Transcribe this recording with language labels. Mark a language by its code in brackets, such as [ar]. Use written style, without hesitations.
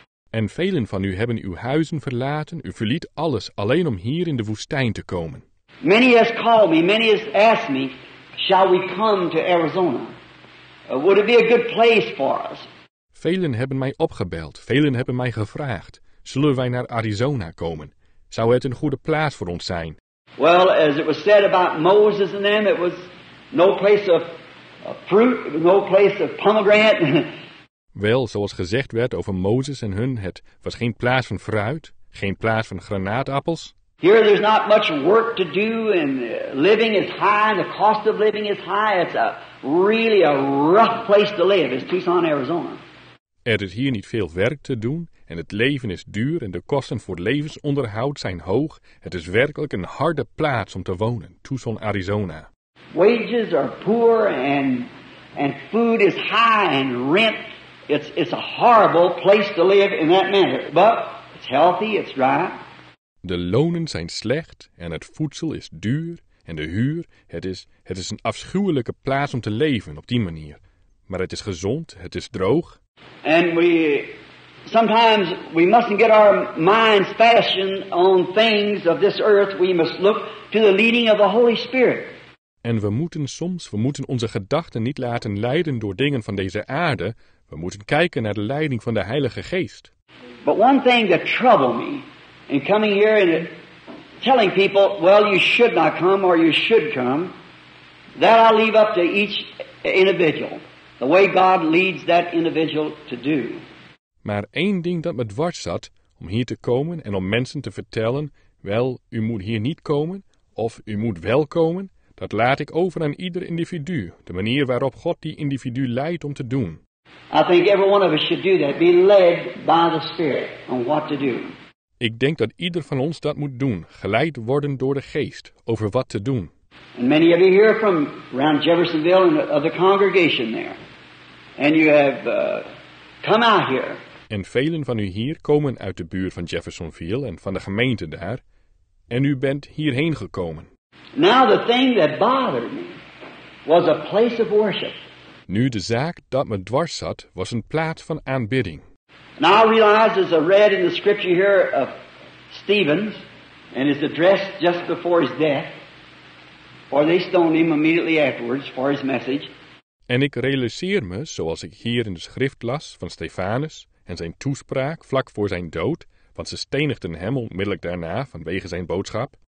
[nl] En velen van u hebben uw huizen verlaten, u verliet alles alleen om hier in de woestijn te komen. [en] Many has called me, many has asked me, shall we come to Arizona? Would it be a good place for us? [nl] Velen hebben mij opgebeld, velen hebben mij gevraagd. Zullen wij naar Arizona komen? Zou het een goede plaats voor ons zijn? [en] Well, as it was said about Moses and them, it was no place of fruit, no place of pomegranate. [nl] Wel, zoals gezegd werd over Moses en hun, het was geen plaats van fruit, geen plaats van granaatappels. [en] Here there's not much work to do and living is high and the cost of living is high. It's a really rough place to live. It's Tucson, Arizona. [nl] Er is hier niet veel werk te doen en het leven is duur en de kosten voor levensonderhoud zijn hoog. Het is werkelijk een harde plaats om te wonen, Tucson, Arizona. [en] Wages are poor and food is high and rent. It's a horrible place to live in that manner. But it's healthy, it's dry. [nl] De lonen zijn slecht en het voedsel is duur en de huur. Het is een afschuwelijke plaats om te leven op die manier. Maar het is gezond, het is droog. [en] And we mustn't get our minds fastened on things of this earth. We must look to the leading of the Holy Spirit. [nl] En we moeten soms, we moeten onze gedachten niet laten leiden door dingen van deze aarde. We moeten kijken naar de leiding van de Heilige Geest. [en] But one thing that troubled me in coming here and telling people, well, you should not come or you should come, that I leave up to each individual, the way God leads that individual to do. [nl] Maar één ding dat me dwars zat om hier te komen en om mensen te vertellen, wel, u moet hier niet komen of u moet wel komen, dat laat ik over aan ieder individu, de manier waarop God die individu leidt om te doen. [en] I think every one of us should do that, be led by the Spirit on what to do. [nl] Ik denk dat ieder van ons dat moet doen, geleid worden door de Geest over wat te doen. [en] And many of you hear from around Jeffersonville and of the congregation there, and you have come out here. [nl] En velen van u hier komen uit de buurt van Jeffersonville en van de gemeente daar, en u bent hierheen gekomen. [en] Now the thing that bothered me was a place of worship. [nl] Nu de zaak dat me dwars zat was een plaats van aanbidding. [en] Now I realize, as I read in the scripture here of Stephen's and his address just before his death, for they stoned him immediately afterwards for his message. [nl] En ik realiseer me, zoals ik hier in de schrift las van Stefanus en zijn toespraak vlak voor zijn dood, want ze stenigden hem onmiddellijk daarna vanwege zijn boodschap.